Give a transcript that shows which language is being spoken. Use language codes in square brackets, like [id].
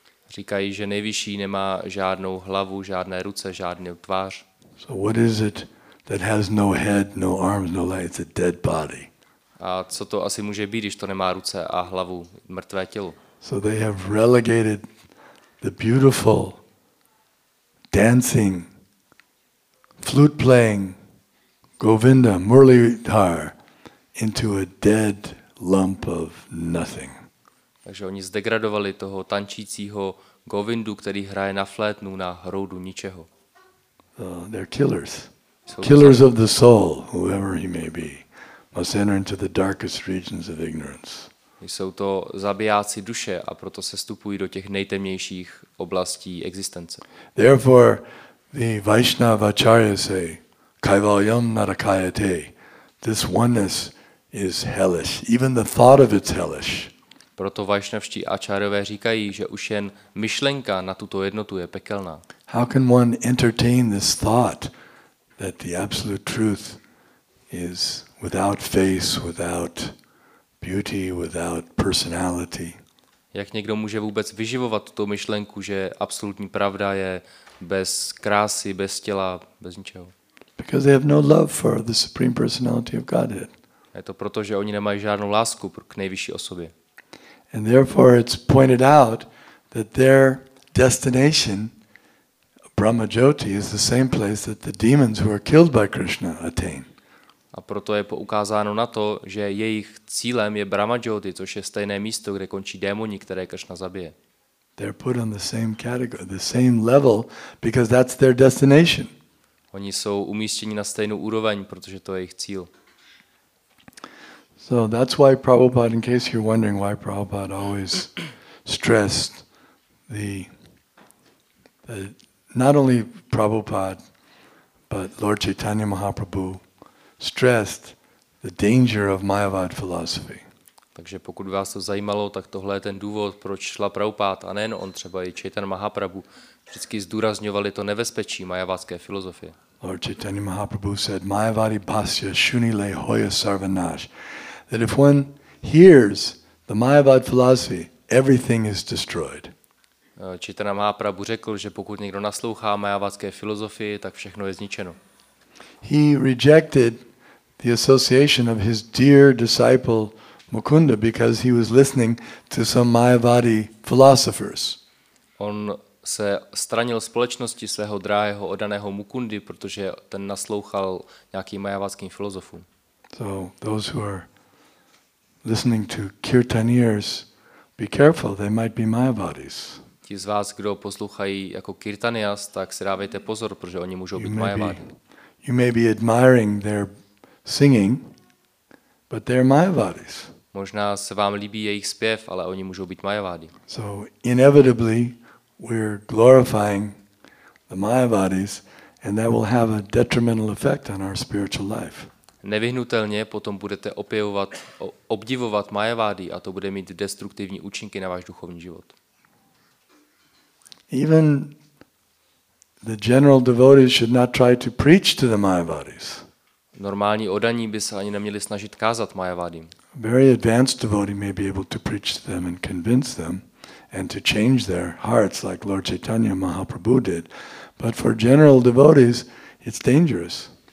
[cs] Říkají, že nejvyšší nemá žádnou hlavu, žádné ruce, žádnou tvář. [en] So what is it that has no head, no arms, no legs? It's a dead body. [cs] A co to asi může být, když to nemá ruce a hlavu, mrtvé tělo? [en] So they have relegated the beautiful dancing, flute playing Govinda, Muralidhar into a dead lump of nothing. [cs] Takže oni zdegradovali toho tančícího Govindu, který hraje na flétnu, na hroudu ničeho. [en] They're killers. Killers of the soul, whoever he may be, must enter into the darkest regions of ignorance. [cs] Jsou to zabijáci duše a proto se stupují do těch nejtemnějších oblastí existence. [en] Therefore, the Vaishnava Acharya say, [sa] Kaivalyam Narakayate, [en] this oneness is hellish. Even the thought of it's hellish. [cs] Proto vaishnavští acharyové říkají, že už jen myšlenka na tuto jednotu je pekelná. [en] How can one entertain this thought that the absolute truth is without face, without beauty, without personality? [cs] Jak někdo může vůbec vyživovat tuto myšlenku, že absolutní pravda je bez krásy, bez těla, bez ničeho? [en] Because they have no love for the Supreme Personality of Godhead. [cs] Je to proto, že oni nemají žádnou lásku k nejvyšší osobě. [en] And therefore it's pointed out that their destination, Brahmajyoti, is the same place that the demons who are killed by Krishna attain. [cs] A proto je poukázáno na to, že jejich cílem je Brahmajyoti, což je stejné místo, kde končí démoni, které Krishna zabije. [en] They're put on the same category, the same level, because that's their destination. [cs] Oni jsou umístěni na stejnou úroveň, protože to je jejich cíl. [en] So that's why Prabhupada, in case you're wondering why Prabhupada always stressed the not only Prabhupada, but Lord Chaitanya Mahaprabhu stressed the danger of Mayavad philosophy. [cs] Takže pokud vás to zajímalo, tak tohle je ten důvod, proč šla Prabhupada, a nejen on, třeba i Chaitanya Mahaprabhu, vždycky zdůrazňovali to nebezpečí mayavadské filozofie. [en] Lord Chaitanya Mahaprabhu said, [bn] Mayavadi bhasya shunile hoya sarvanash. [en] That if one hears the Mayavad philosophy, everything is destroyed. [cs] Chaitanya Mahaprabhu řekl, že pokud někdo naslouchá mayavadské filozofii, tak všechno je zničeno. [en] He rejected the association of his dear disciple Mukunda because he was listening to some Mayavadi philosophers. [cs] On se stranil společnosti svého drahého odaného Mukundy, protože ten naslouchal nějakým mayavadským filozofům. [en] So those who are listening to kirtaniers, be careful, they might be Mayavadis. [cs] Ti z vás, kdo poslouchají jako kirtanias, tak si dávejte pozor, protože oni můžou být Mayavadi. [en] You may be admiring their singing, but they're Mayavadis. [cs] Možná se vám líbí jejich zpěv, ale oni můžou být Mayavadi. [en] So inevitably we're glorifying the Mayavadis and that will have a detrimental effect on our spiritual life. [cs] Nevyhnutelně potom budete obdivovat Mayavadi a to bude mít destruktivní účinky na váš duchovní život. [en] Even the general devotees should not try to preach to the Mayavadis. [cs] Normální odaní by se ani neměli snažit kázat Mayavadim. [en] Very advanced devotee may be able to preach to them and convince them and to change their hearts like Lord Chaitanya Mahaprabhu did, but for general devotees it's dangerous.